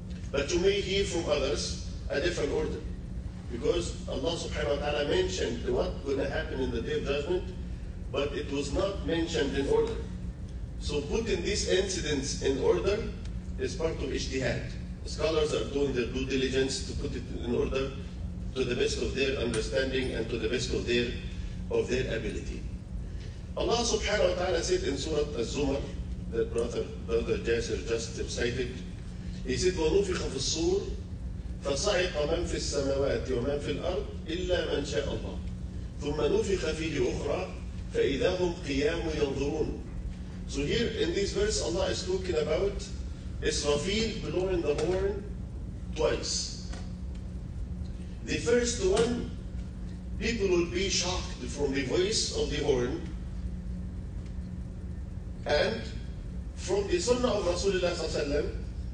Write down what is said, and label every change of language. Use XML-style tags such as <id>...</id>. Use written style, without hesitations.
<en>But you may hear from others a different order, because Allah subhanahu wa ta'ala mentioned what going to happen in the Day of Judgment, but it was not mentioned in order. So putting these incidents in order is part of ijtihad. Scholars are doing their due diligence to put it in order to the best of their understanding and to the best of their ability. Allah subhanahu wa ta'ala said in Surah Az-Zumar, that brother Jasir just recited, he said,</en> <ar>وَنُفِخَ فِي الصُّورِ فَصَعِقَ مَنْ فِي السَّمَوَاتِ وَمَنْ فِي الْأَرْضِ إِلَّا مَنْ شَاءَ اللَّهِ ثُمَّ نُفِخَ فِيهِ أُخْرَى فَإِذَا هُمْ قِيَامُ يَنْظُرُونَ.</ar> <en>So here in this verse, Allah is talking about Israfil blowing the horn twice. The first one, people will be shocked from the voice of the horn and from the Sunnah of Rasulullah.</en>